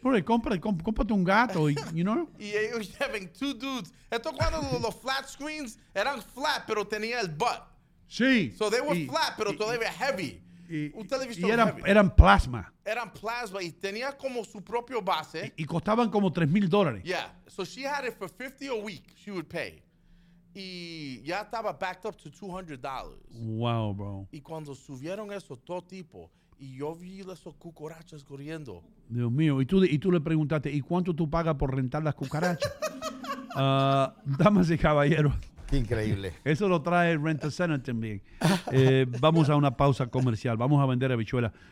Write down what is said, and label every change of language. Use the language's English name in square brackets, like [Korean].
[Spanish] Bro, cómprate un gato, [English] you know? [Spanish] Y ellos llevan [English] two dudes. [Spanish] Esto cuando los flat screens eran flat, pero tenía el butt. Sí. [English] So they were flat, [Spanish] pero todavía [English] heavy. [Spanish] Un televisor heavy. Y eran plasma. Eran plasma y tenía como su propio base. Y costaban como $3,000. [English] Yeah. So she had it for $50 a week she would pay. [Spanish] Y ya estaba [English] backed up to $200. Wow, bro. [Spanish] Y cuando subieron eso, todo tipo, y yo vi esos cucarachas corriendo. Dios mío. Y tú le preguntaste, ¿y cuánto tú pagas por rentar las cucarachas? damas y caballeros. Increíble. Eso lo trae Rent-A-Center también. Vamos a una pausa comercial. Vamos a vender habichuelas.